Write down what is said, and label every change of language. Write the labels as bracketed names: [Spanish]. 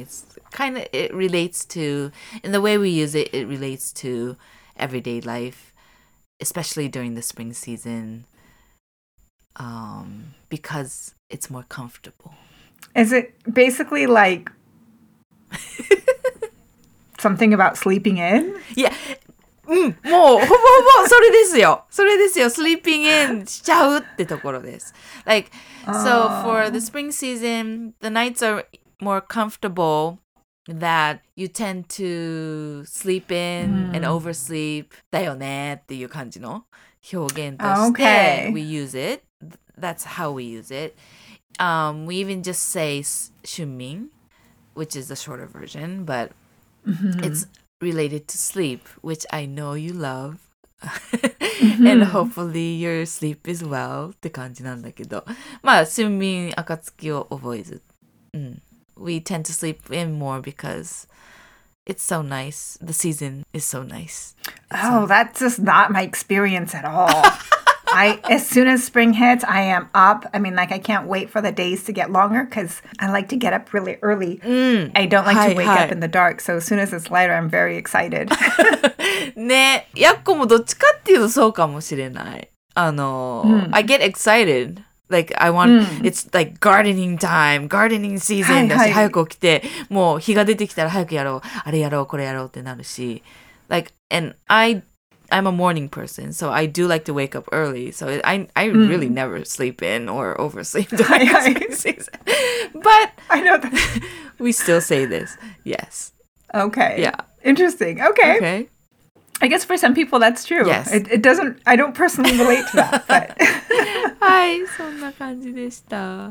[English] It's kind of, it relates to, in the way we use it, it relates to everyday life, especially during the spring season, because it's more comfortable. Is it basically like something about sleeping in? Yeah. [Japanese] もうほぼほぼそれですよ。それですよ。 [English] Sleeping in [Japanese] しちゃうってところです。 [English] Like, so for the spring season, the nights are more comfortable that you tend to sleep in and oversleep [Japanese] だよねっていう感じの表現として、 [English] we use it. That's how we use it. We even just say 春眠, which is a shorter version, but it'srelated to sleep, which I know you love. And hopefully your sleep is well, [Japanese] って感じなんだけど。まあ、春眠暁を覚えず、うん、 [English] we tend to sleep in more because it's so nice. The season is so nice. It's oh, so nice. That's just not my experience at all. As soon as spring hits, I am up. I mean, like, I can't wait for the days to get longer because I like to get up really early. Mm. I don't like to wake up in the dark. So as soon as it's lighter, I'm very excited. [Japanese] ね、やっこもどっちかっていうとそうかもしれない。 [English] Mm. I get excited. Like, I want, it's like gardening time, gardening season. [Japanese] だし、早く起きて、もう日が出てきたら早くやろう。あれやろう、これやろうってなるし。 [English] Like, and I'm a morning person, so I do like to wake up early. So I really never sleep in or oversleep during season. But I know that. We still say this. Yes. Okay. Yeah. Interesting. Okay. Okay. I guess for some people that's true. Yes. It doesn't, I don't personally relate to that. [Japanese] はい、そんな感じでした。